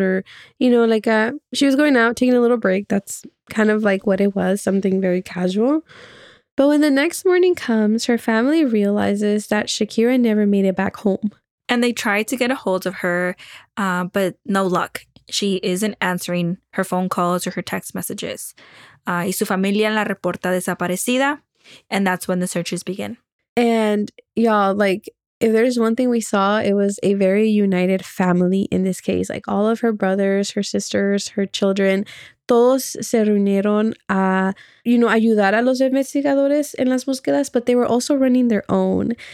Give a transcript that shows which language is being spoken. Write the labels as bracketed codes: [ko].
[en] Or, you know, like she was going out, taking a little break. That's kind of like what it was, something very casual. But when the next morning comes, her family realizes that Shakira never made it back home. And they tried to get a hold of her, but no luck. She isn't answering her phone calls or her text messages. [es] Y su familia la reporta desaparecida. [en] And that's when the searches begin. And y'all, like, if there's one thing we saw, it was a very united family in this case. Like, all of her brothers, her sisters, her children, [es] todos se reunieron a, [en] you know, [es] ayudar a los investigadores en las búsquedas, [en] but they were also running their own.